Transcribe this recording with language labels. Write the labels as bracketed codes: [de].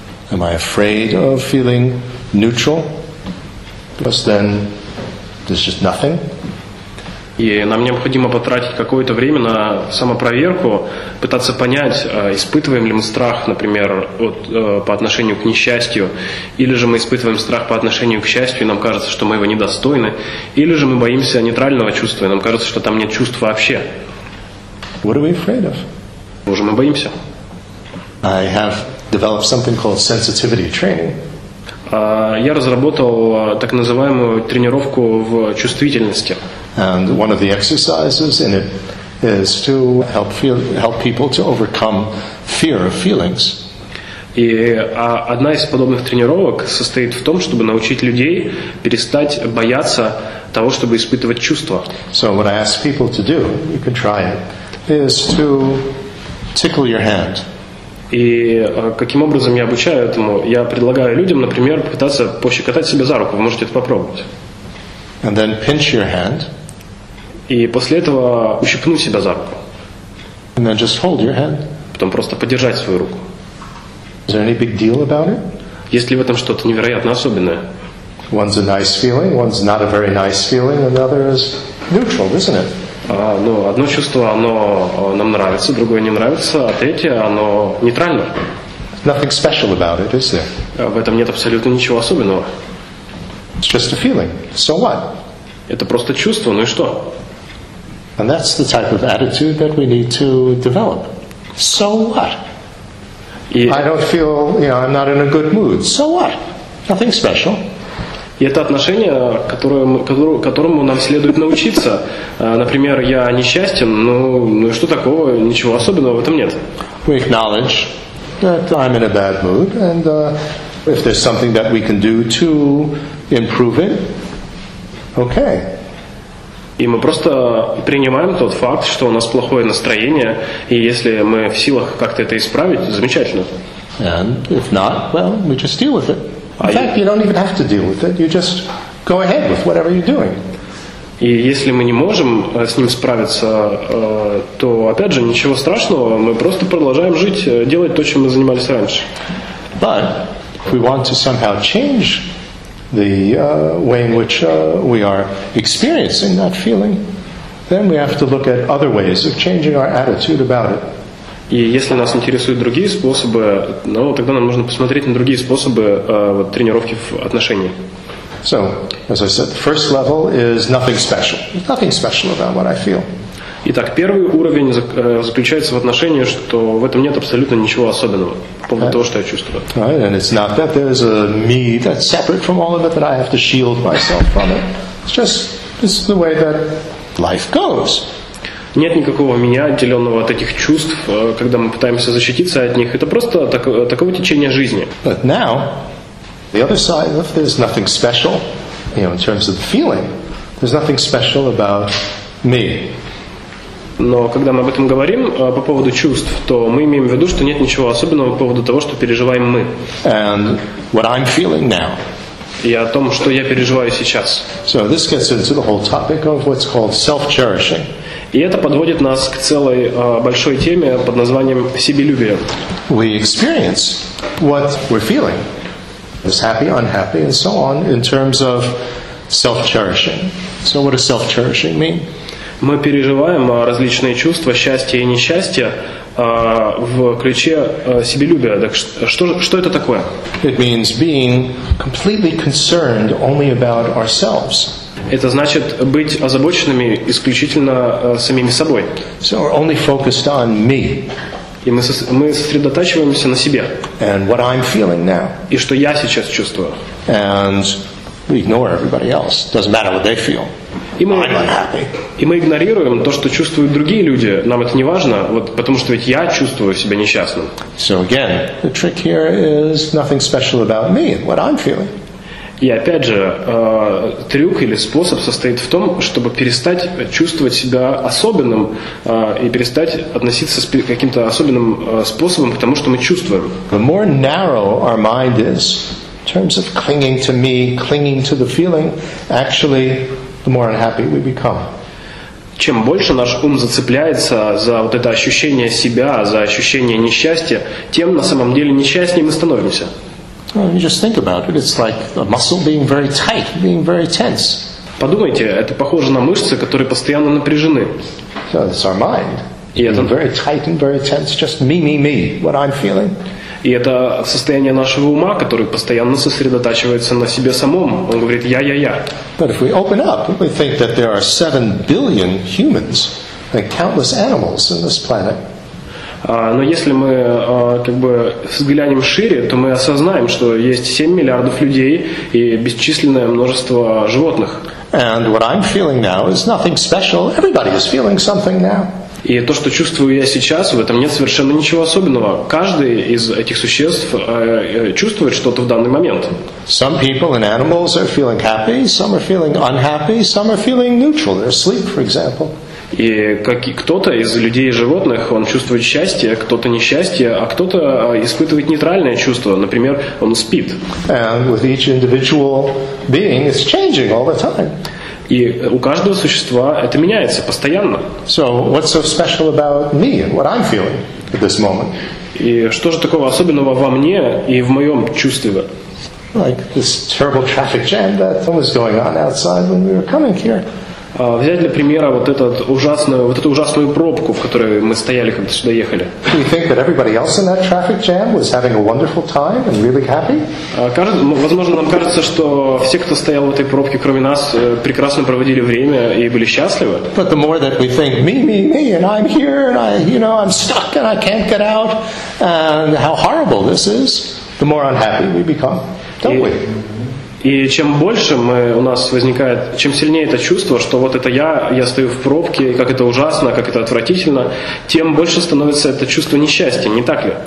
[en] Am I afraid of feeling neutral? Because then there's just nothing. [ru] И нам необходимо потратить какое-то время на самопроверку, пытаться понять, испытываем ли мы страх, например, по отношению к несчастью, или же мы испытываем страх по отношению к счастью, и нам кажется, что мы его недостойны, или же мы боимся нейтрального чувства, и нам кажется, что там нет чувств вообще. [en] What are we afraid of? [ru] Уже мы боимся. [en] I have developed something called sensitivity training. [ru] Я разработал так называемую тренировку в чувствительности. [en] And one of the exercises in it is to help people to overcome fear of feelings. [ru] И одна из подобных тренировок состоит в том, чтобы научить людей перестать бояться того, чтобы испытывать чувства. [en] So what I ask people to do, you can try it, is to tickle your hand. [ru] И каким образом я обучаю этому? Я предлагаю людям, например, пытаться пощекотать себя за руку. Вы можете это попробовать. [en] And then pinch your hand. [ru] И после этого ущипнуть себя за руку. [en] And then just hold your hand. [ru] Потом просто подержать свою руку. [en] Is there any big deal about it? [ru] Есть ли в этом что-то невероятно особенное? [en] One's a nice feeling, one's not a very nice feeling, another is neutral, isn't it? [ru] Ну, одно чувство, оно нам нравится, другое не нравится, а третье, оно нейтрально. [en] Nothing special about it, is there? [ru] В этом нет абсолютно ничего особенного. [en] It's just a feeling. So what? [ru] Это просто чувство, ну и что? [en] And that's the type of attitude that we need to develop. So what? I don't feel, you know, I'm not in a good mood. So what? Nothing special. [ru] И это отношение, которому нам следует научиться. Например, я несчастен, ну и что такого, ничего особенного в этом нет. [en] We acknowledge that I'm in a bad mood, and if there's something that we can do to improve it, okay. [ru] И мы просто принимаем тот факт, что у нас плохое настроение, и если мы в силах как-то это исправить, замечательно. [en] And if not, well, we just deal with it. In fact, you don't even have to deal with it. You just go ahead with whatever you're doing. [ru] И если мы не можем с ним справиться, то, опять же, ничего страшного, мы просто продолжаем жить, делать то, чем мы занимались раньше. [en] But if we want to somehow change the way in which we are experiencing that feeling, then we have to look at other ways of changing our attitude about it. [ru] И если нас интересуют другие способы, ну, тогда нам нужно посмотреть на другие способы вот, тренировки в отношении. [en] So, as I said, the first level is nothing special. There's nothing special about what I feel. [ru] Итак, первый уровень заключается в отношении, что в этом нет абсолютно ничего особенного по поводу того, что я чувствую. [en] Right, and it's not that there's a me that's separate from all of it, that I have to shield myself from it. It's just it's the way that life goes. [ru] Нет никакого меня, отделенного от этих чувств, когда мы пытаемся защититься от них. Это просто таково течение жизни. [en] But now, the other side, if there's nothing special, you know, in terms of the feeling, there's nothing special about me. [ru] Но когда мы об этом говорим по поводу чувств, то мы имеем в виду, что нет ничего особенного по поводу того, что переживаем мы. [en] And what I'm feeling now. [ru] И о том, что я переживаю сейчас. [en] So this gets into the whole topic of what's called self-cherishing. [ru] И это подводит нас к целой большой теме под названием себелюбие. [en] We experience what we're feeling. It's happy, unhappy, and so on in terms of self-cherishing. So what does self-cherishing mean? [ru] Мы переживаем различные чувства, счастья и несчастья в ключе себелюбия. Так что это такое? [en] It means being completely concerned only about ourselves. [ru] Это значит быть озабоченными исключительно самими собой. [en] So we're only focused on me. [ru] И мы сосредотачиваемся на себе. [en] And what I'm feeling now. [ru] И что я сейчас чувствую. [en] And we ignore everybody else. Doesn't matter what they feel. [ru] И мы игнорируем то, что чувствуют другие люди. Нам это не важно, вот, потому что ведь я чувствую себя несчастным. [en] So again, the trick here is nothing special about me, what I'm feeling. [ru] И опять же, трюк или способ состоит в том, чтобы перестать чувствовать себя особенным и перестать относиться с каким-то особенным способом к тому, что мы чувствуем. [en] The more narrow our mind is in terms of clinging to me, clinging to the feeling, actually, the more unhappy we become. [ru] Чем больше наш ум зацепляется за вот это ощущение себя, за ощущение несчастья, тем на самом деле несчастнее мы становимся. [en] Well, you just think about it. It's like a muscle being very tight, being very tense. [ru] Подумайте, это похоже на мышцы, которые постоянно напряжены. [en] So it's our mind. Being very tight and very tense, just me, me, me, what I'm feeling. [ru] И это состояние нашего ума, который постоянно сосредотачивается на себе самом. Он говорит «я-я-я». [en] But if we open up, we think that there are 7 billion humans and countless animals in this planet. [ru] Но если мы как бы взглянем шире, то мы осознаем, что есть 7 миллиардов людей и бесчисленное множество животных. [en] And what I'm feeling now is nothing special. Everybody is feeling something now. [ru] И то, что чувствую я сейчас, в этом нет совершенно ничего особенного. Каждый из этих существ чувствует что-то в данный момент. [en] Some people and animals are feeling happy, some are feeling unhappy, some are feeling neutral. They're asleep, for example. [ru] И кто-то из людей и животных, он чувствует счастье, кто-то несчастье, а кто-то испытывает нейтральное чувство. Например, он спит. [en] And with each individual being, it's changing all the time. [ru] И у каждого существа это меняется постоянно. [en] So, what's so special about me and what I'm feeling at this moment? [ru] И что же такого особенного во мне и в моем чувстве? [en] Like this terrible traffic jam that was going on outside when we were coming here. [ru] Взять для примера вот этот ужасную пробку, в которой мы стояли, когда сюда ехали. [en] You think that everybody else in that traffic jam was having a wonderful time and really happy? [ru] Возможно, нам кажется, что все, кто стоял в этой пробке, кроме нас, прекрасно проводили время и были счастливы. [en] But the more that we think me, me, me, and I'm here, and I, you know, I'm stuck and I can't get out, and how horrible this is, the more unhappy we become, don't we? [ru] И чем больше мы, у нас возникает, чем сильнее это чувство, что вот это я стою в пробке, и как это ужасно, как это отвратительно, тем больше становится это чувство несчастья, не так ли?